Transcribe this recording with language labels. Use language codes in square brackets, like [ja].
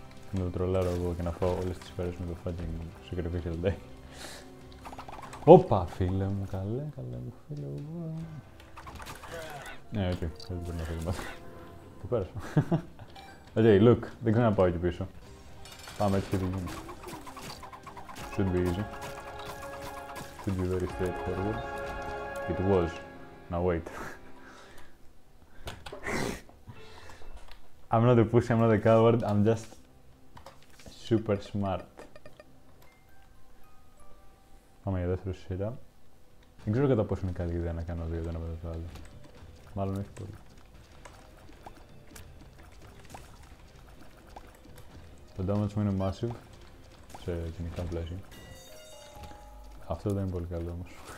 [el] Να το τρολάρω εγώ και να φάω όλες τις σφαίρες με το fucking sacrificial day. Όπα, φίλε μου, καλέ, καλέ μου, φίλε μου. Ναι, οκ, δεν μπορεί να φύγει μάθος. Το πέρασα. Οκ, look, δεν ξέρω να πάω εκεί πίσω. Πάμε έτσι και τι γίνει. [en] Should be easy. Should be very straightforward. It was. Now wait. I'm not a pussy, I'm not a coward, I'm just super smart. [el] Πάμε για δεύτερο σειρά. Δεν ξέρω κατά πόσο είναι καλή ιδέα να κάνω δύο ένα μετά το άλλο. Μάλλον όχι πολύ. Το damage μου είναι massive σε κοινικά πλαίσια. Αυτό δεν είναι πολύ καλό όμως.